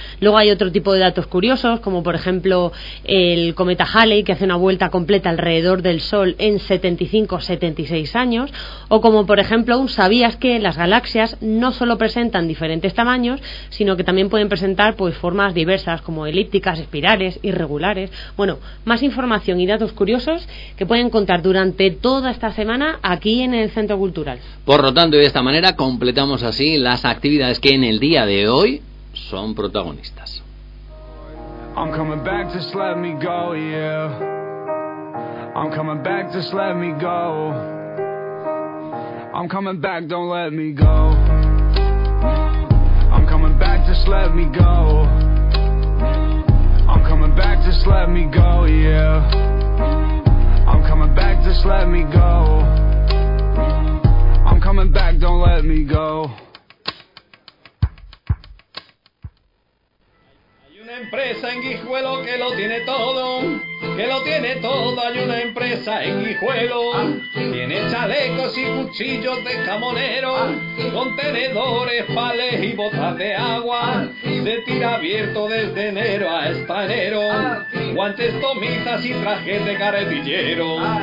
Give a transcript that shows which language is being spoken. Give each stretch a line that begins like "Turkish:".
Spanish: Luego hay otro tipo de datos curiosos, como por ejemplo el cometa Halley, que hace una vuelta completa alrededor del sol en 75-76 años, o como por ejemplo un ¿sabías que las galaxias no solo presentan diferentes tamaños, sino que también pueden presentar pues formas diversas como elípticas, espirales, irregulares? Bueno, más información y datos curiosos que pueden encontrar durante toda esta semana aquí en el Centro Cultural. Por lo tanto, y de esta manera completamos así las actividades que en el día de hoy son protagonistas.
English: I'm coming back, just let me go, yeah. I'm coming back, just let me go. I'm coming back, don't let me go. I'm coming back, just let me go. I'm coming back, just let me go, yeah. I'm coming back, just let me go. I'm coming back, don't let me go.
Spanish: Empresa en Guijuelo que lo tiene todo, que lo tiene todo. Hay una empresa en Guijuelo, tiene chalecos y cuchillos de jamonero, contenedores, palés y botas de agua, se tira abierto desde enero a esta enero, guantes, tomitas y trajes de carretillero.